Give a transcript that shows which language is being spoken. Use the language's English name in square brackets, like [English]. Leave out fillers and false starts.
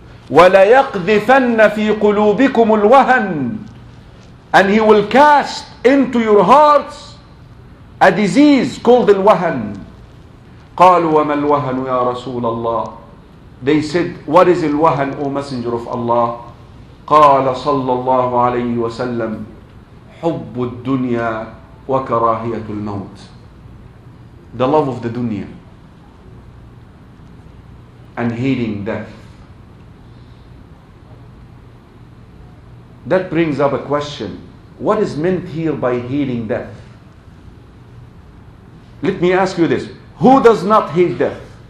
[Arabic] ولا يقذفن في قلوبكم الوهن. [English] And he will cast into your hearts a disease called الوهن. [Arabic] قالوا وما الوهن يا رسول الله. [English] They said, what is الوهن, O Messenger of Allah? [Arabic] قال صلى الله عليه وسلم, حب الدنيا وكراهية الموت. [English] The love of the dunya and hating death. That brings up a question. What is meant here by hating death? Let me ask you this. Who does not hate death?